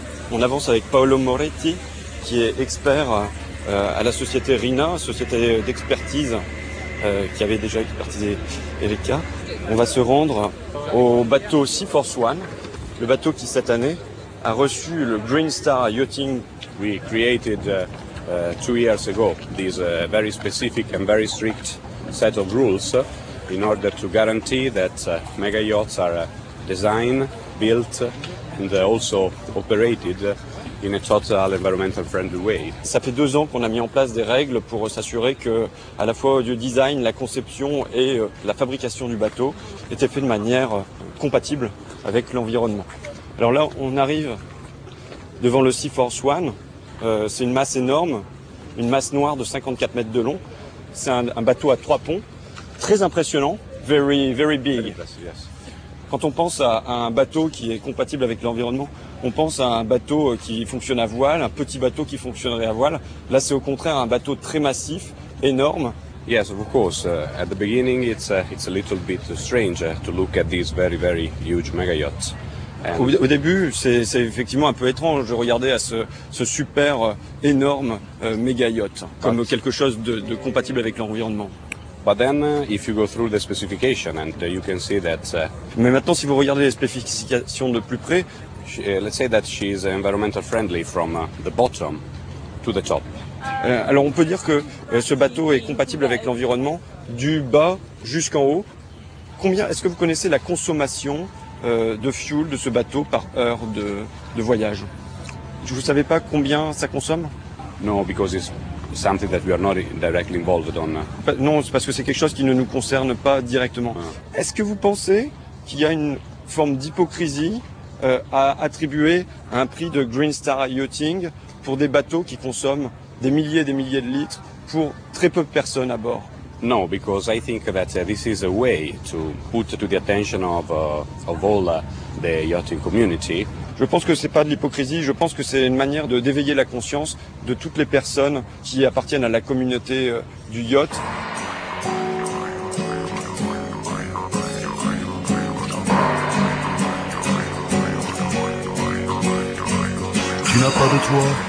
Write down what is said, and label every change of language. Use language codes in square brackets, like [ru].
[fr] On avance avec Paolo Moretti qui est expert à la société RINA, société d'expertise qui avait déjà expertisé Erika. On va se rendre au bateau Sea Force One, le bateau qui cette année a reçu le Green Star Yachting. [en] We created 2 years ago this very specific and very strict set of rules in order to guarantee that mega yachts are designed, built and also operated in a total environmental friendly way. [fr] Ça fait 2 ans qu'on a mis en place des règles pour s'assurer que à la fois le design, la conception et la fabrication du bateau étaient faits de manière compatible avec l'environnement. Alors là, on arrive devant le Sea Force One. C'est une masse énorme, une masse noire de 54 mètres de long. C'est un bateau à 3 ponts, très impressionnant, [en] very, very big. [fr] Quand on pense à un bateau qui est compatible avec l'environnement, on pense à un bateau qui fonctionne à voile, un petit bateau qui fonctionnerait à voile. Là, c'est au contraire un bateau très massif, énorme. [en] Yes, of course. At the beginning, it's a little bit strange to look at this very, very huge mega yacht. [fr] Au début, c'est effectivement un peu étrange de regarder à ce super énorme méga yacht comme quelque chose de compatible avec l'environnement. [en] But then, if you go through the specification and you can see that. [fr] Mais maintenant, si vous regardez les spécifications de plus près, [en] let's say that she is environmental friendly from the bottom to the top. [fr] Alors, on peut dire que ce bateau est compatible avec l'environnement du bas jusqu'en haut. Combien est-ce que vous connaissez la consommation de fuel de ce bateau par heure de voyage? Vous ne savez pas combien ça consomme? [en] No, because it's something that we are not directly involved on. [fr] Non, c'est parce que c'est quelque chose qui ne nous concerne pas directement. Est-ce que vous pensez qu'il y a une forme d'hypocrisie à attribuer un prix de Green Star Yachting pour des bateaux qui consomment des milliers de litres pour très peu de personnes à bord? [en] No, because I think that this is a way to put to the attention of all the yachting community. [fr] Je pense que c'est pas de l'hypocrisie, je pense que c'est une manière de d'éveiller la conscience de toutes les personnes qui appartiennent à la communauté du yacht. Tu n'as pas de toi.